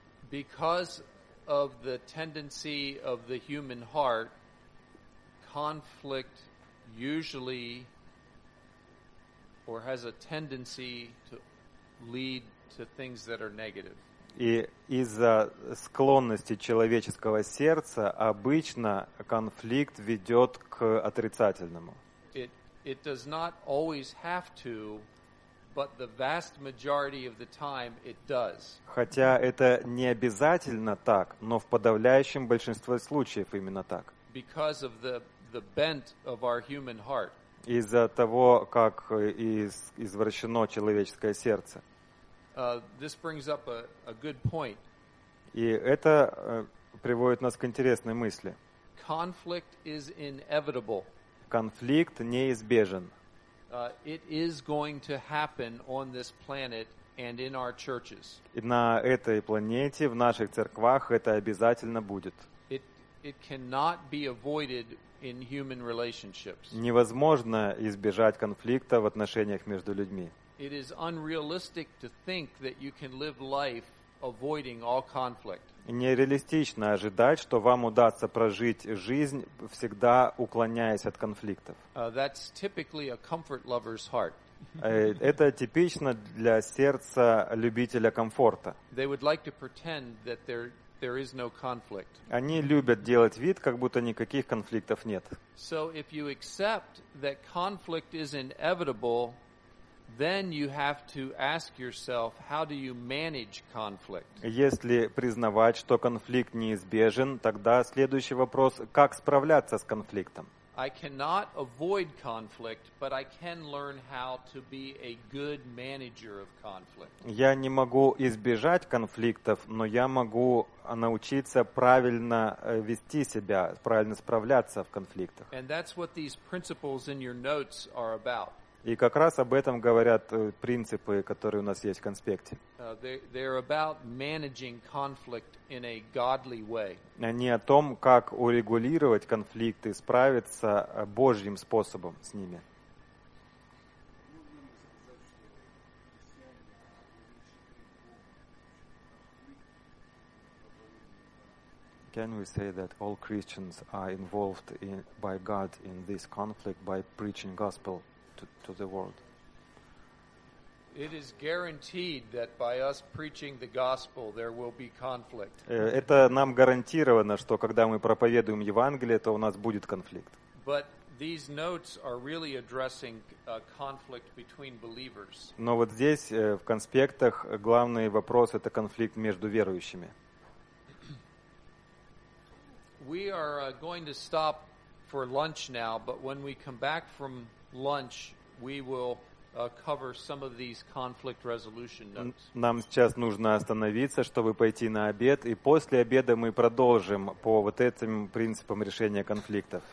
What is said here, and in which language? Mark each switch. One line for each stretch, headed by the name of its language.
English: Because of the tendency of the human heart, conflict usually or has a tendency to lead to things that are negative.
Russian: И из-за склонности человеческого сердца обычно конфликт ведет к отрицательному.
English: It does not always have to, but the vast majority of the time it does.
Russian: Хотя это не обязательно так, но в подавляющем большинстве случаев именно так.
English: Because of the bent of our human heart.
Russian: Из-за того, как извращено человеческое сердце.
English: This brings up a good point.
Russian: И это приводит нас к интересной мысли.
English: Conflict is inevitable.
Russian: Конфликт неизбежен.
English: it is going to happen on this planet and in our churches.
Russian: На этой планете, в наших церквах это обязательно будет.
English: It cannot be avoided in human relationships.
Russian: Невозможно избежать конфликта в отношениях между людьми.
English: It is unrealistic to think that you can live life avoiding all conflict.
Russian: Нереалистично ожидать, что вам удастся прожить жизнь, всегда уклоняясь от конфликтов.
English: That's typically a comfort lover's heart.
Russian: Это типично для сердца любителя комфорта.
English: They would like to pretend that there is no conflict.
Russian: Они любят делать вид, как будто никаких конфликтов нет.
English: So if you accept that conflict is inevitable, then you have to ask yourself, how do you manage conflict?
Russian: Если признавать, что конфликт неизбежен, тогда следующий вопрос: как справляться с конфликтом?
English: I cannot avoid conflict, but I can learn how to be a good manager of conflict.
Russian: Я не могу избежать конфликтов, но я могу научиться правильно вести себя, правильно справляться в конфликтах.
English: And that's what these principles in your notes are about.
Russian: И как раз об этом говорят принципы, которые у нас есть в конспекте.
English: They're about managing conflict in a godly way.
Russian: Они о том, как урегулировать конфликты, справиться Божьим способом с ними.
English: Can we say that all Christians are involved by God in this conflict by preaching gospel? To the world. It is guaranteed that by us preaching the gospel, there will be conflict.
Russian: Это нам гарантировано, что когда мы проповедуем Евангелие, то у нас будет конфликт.
English: But these notes are really addressing a conflict between believers.
Russian: Но вот здесь в конспектах главный вопрос — это конфликт между верующими.
English: We are going to stop for lunch now, but when we come back from lunch, we will cover some of these conflict resolution notes.
Russian: Нам сейчас нужно остановиться, чтобы пойти на обед, и после обеда мы продолжим по вот этим принципам решения конфликтов.